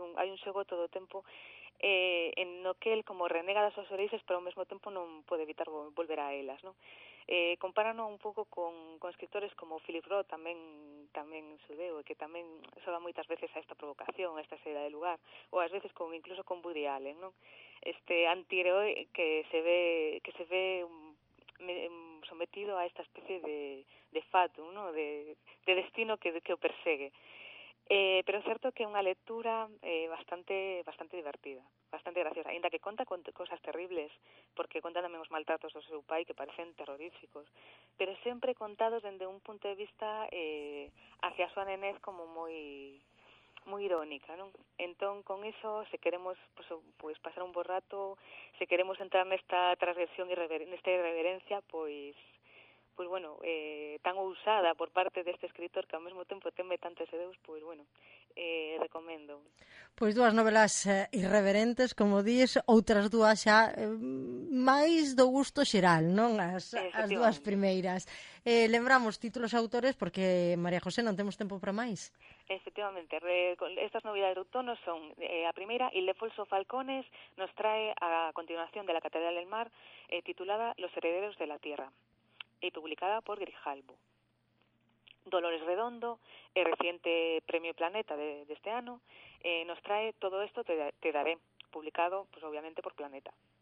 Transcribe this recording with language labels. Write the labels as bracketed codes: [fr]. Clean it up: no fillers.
[gl] Hai un xogo todo o tempo en no que el como renega das súas orixes, pero ao mesmo tempo non pode evitar volver a elas, ¿no? Compárano un pouco con escritores como Philip Roth, tamén xudeu, que tamén xoga moitas veces a esta provocación, a esta seda de lugar, ou ás veces incluso con Woody Allen, ¿no? Este antihéroe que se ve sometido a esta especie de fatum, ¿no? de destino que o persegue. Pero é certo que é unha lectura bastante divertida, bastante graciosa, ainda que conta con cosas terribles, porque conta tamén os maltratos do seu pai que parecen terroríficos, pero sempre contados dende un punto de vista hacia a súa nenez como moi... moi irónica, non? Entón, con iso, se queremos pues pasar un bo rato, se queremos entrar nesta transgresión e nesta irreverencia, pues bueno, tan ousada por parte deste escritor que ao mesmo tempo teme tanto ese deus, pues bueno, recomendo. Pois dúas novelas irreverentes, como dís, outras dúas xa máis do gusto xeral, non? As dúas primeiras. Lembramos títulos autores porque, María José, non temos tempo para máis. [es] Efectivamente, estas novidades de outono son a primeira, Ildefonso Falcones nos trae a continuación de La Catedral del Mar, titulada Los Herederos de la Tierra, y publicada por Grijalbo. Dolores Redondo, el reciente premio Planeta de este año, nos trae Todo esto te daré, publicado pues obviamente por Planeta.